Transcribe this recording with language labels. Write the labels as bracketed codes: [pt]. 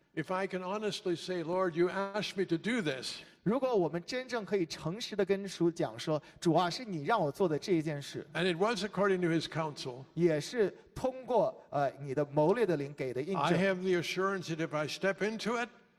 [en] If I can honestly say, Lord, you asked me to do this. [zh] 如果我们真正可以诚实的跟主讲说，主啊，是你让我做的这一件事。 [en] And it was according to His counsel. [zh] 也是通过你的谋略的灵给的印证。 [en] I have the assurance that if I step into it.